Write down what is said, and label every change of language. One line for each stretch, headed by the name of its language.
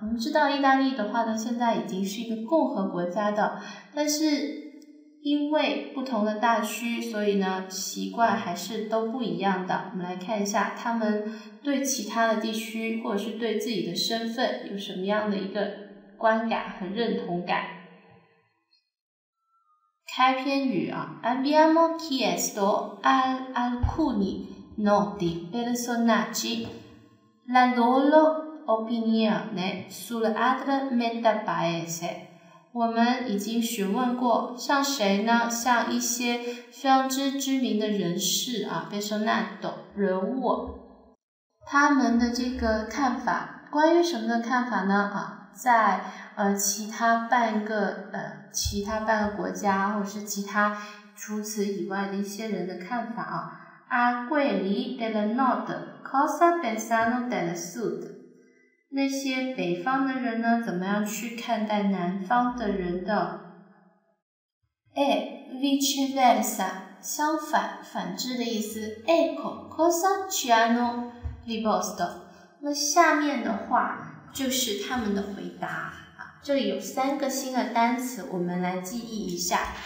Chinese: 我们知道意大利的话呢，现在已经是一个共和国家的，但是因为不同的大区，所以呢习惯还是都不一样的。我们来看一下他们对其他的地区或者是对自己的身份有什么样的一个观感和认同感。开篇语啊，
Italian: Abbiamo chiesto ad alcuni noti personaggi la loro opinione sulle altre metà paese。
Chinese: 我们已经询问过，像谁呢？像一些非常知名的人士啊 ，personaggio 人物，他们的这个看法，关于什么的看法呢？啊，在其他半个国家，或者是其他除此以外的一些人的看法啊。
Italian: A quelli del nord cosa pensano del sud？
Chinese: 那些北方的人呢，怎么样去看待南方的人的？哎 ，viceversa， 相反，反之的意思。
Italian: Ecco cosa ci hanno risposto。
Chinese: 那下面的话就是他们的回答啊。这里有三个新的单词，我们来记忆一下。